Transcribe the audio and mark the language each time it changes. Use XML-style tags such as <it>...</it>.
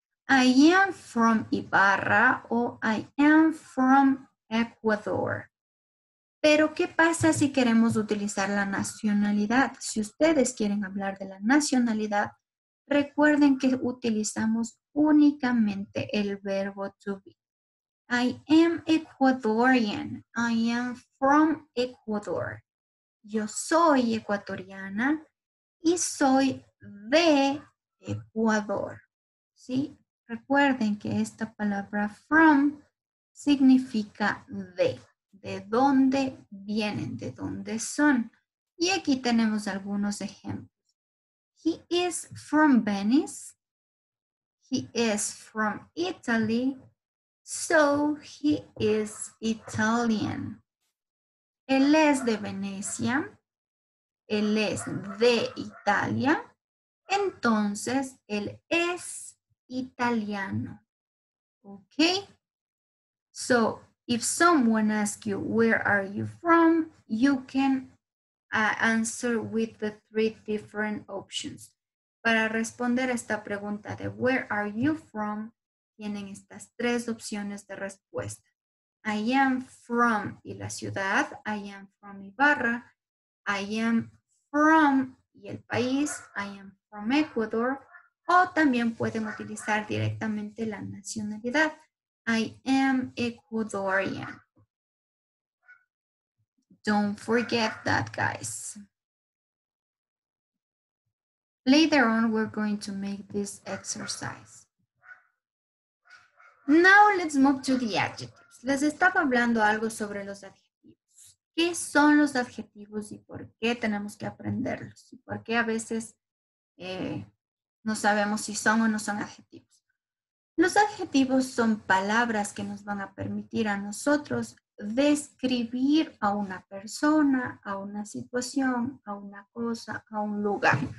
<en>I am from Ibarra o I am from Ecuador.</en> <es>Pero, ¿qué pasa si queremos utilizar la nacionalidad? Si ustedes quieren hablar de la nacionalidad, recuerden que utilizamos únicamente el verbo to be.</es> <en>I am Ecuadorian. I am from Ecuador.</en> <es>Yo soy ecuatoriana y soy de Ecuador. ¿Sí? Recuerden que esta palabra from significa de. ¿De dónde vienen? ¿De dónde son? Y aquí tenemos algunos ejemplos.</es> <en>He is from Venice. He is from Italy. So he is Italian.</en> <es>Él es de Venecia. Él es de Italia. Entonces, él es italiano.</es> <en>Okay? So, if someone asks you, where are you from? You can answer with the three different options.</en> <es>Para responder a esta pregunta de</es> <en>where are you from,</en> <es>tienen estas tres opciones de respuesta.</es> <en>I am from,</en> <es>y la ciudad,</es> <en>I am from Ibarra, I am from,</en> <es>y el país,</es> <en>I am from Ecuador,</en> <es>o también pueden utilizar directamente la nacionalidad.</es> <en>I am Ecuadorian. Don't forget that, guys. Later on, we're going to make this exercise. Now let's move to the adjectives.</en> <es>Les estaba hablando algo sobre los adjetivos. ¿Qué son los adjetivos y por qué tenemos que aprenderlos? ¿Y por qué a veces no sabemos si son o no son adjetivos? Los adjetivos son palabras que nos van a permitir a nosotros describir a una persona, a una situación, a una cosa, a un lugar.</es>